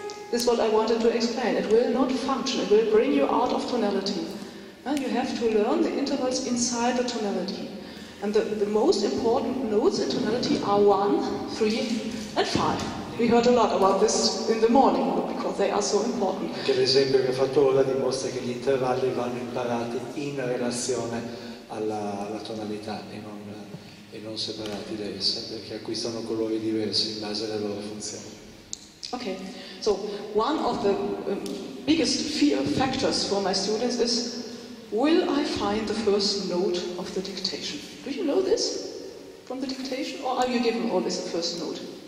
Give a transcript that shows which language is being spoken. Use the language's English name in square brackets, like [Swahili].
[English] This is what I wanted to explain. It will not function, it will bring you out of tonality. And you have to learn the intervals inside the tonality. And the most important notes in tonality are 1, 3, and 5. We heard a lot about this in the morning because they are so important. [Italian] Anche l'esempio che ho fatto ora dimostra che gli intervalli vanno imparati in relazione alla tonalità e non separati da essa, perché acquistano colori diversi in base alla loro funzione. [English] Okay, so one of the biggest fear factors for my students is, will I find the first note of the dictation? Do you know this from the dictation, or are you given always the first note?